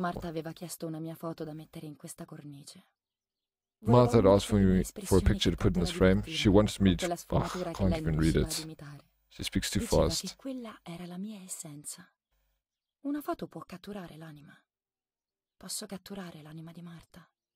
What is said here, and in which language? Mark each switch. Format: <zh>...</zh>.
<it>Martha aveva chiesto una mia foto da mettere in questa cornice.</it> <en>Martha had asked for a picture to put in this frame. She wanted me to... Oh, I can't even read it. She speaks too fast.</en> <it>Diceva che quella era la mia essenza. Una foto può catturare l'anima. Posso catturare l'anima di Martha.</it>